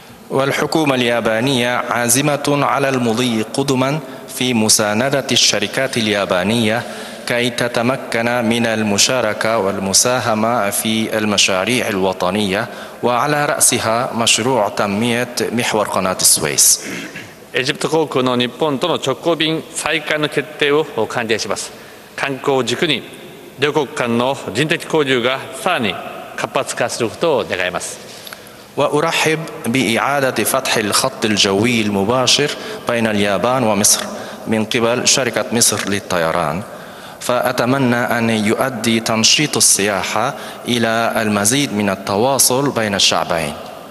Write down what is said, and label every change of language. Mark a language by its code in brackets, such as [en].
[ar] والحكومة اليابانية عازمة على المضي قدما في مساندة الشركات اليابانية كي تتمكن من المشاركة والمساهمة في المشاريع الوطنية وعلى رأسها مشروع تنمية محور قناة السويس. [ja] エジプト航空の日本との直行便再開の決定を歓迎します。観光軸に両国間の人的交流がさらに活発化することを願います。 [ar] وأرحب بإعادة فتح الخط الجوي المباشر بين اليابان ومصر من قبل شركة مصر للطيران فأتمنى أن يؤدي تنشيط السياحة إلى المزيد من التواصل بين الشعبين.